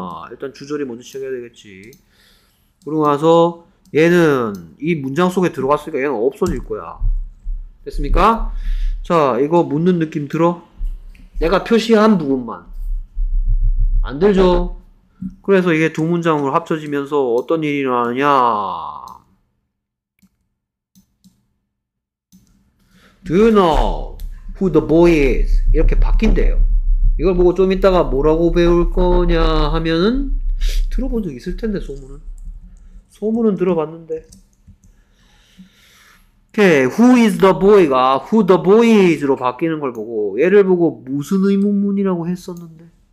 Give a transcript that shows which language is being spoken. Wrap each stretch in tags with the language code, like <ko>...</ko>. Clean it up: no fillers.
<ko>일단 주절이 먼저 시작해야 되겠지. 그러고 나서 얘는 이 문장 속에 들어갔으니까 얘는 없어질 거야. 됐습니까? 자, 이거 묻는 느낌 들어? 내가 표시한 부분만. 안 들죠? 그래서 이게 두 문장으로 합쳐지면서 어떤 일이 일어나냐.</ko> <en>'Do you know who the boy is?'</en> <ko>이렇게 바뀐대요. 이걸 보고 좀 이따가 뭐라고 배울 거냐 하면은 들어본 적 있을 텐데 소문은. 소문은 들어봤는데. 오케이,</ko> <en>'Who is the boy?'가 'Who the boy is?'로</en> <ko>바뀌는 걸 보고 얘를 보고 무슨 의문문이라고 했었는데.</ko>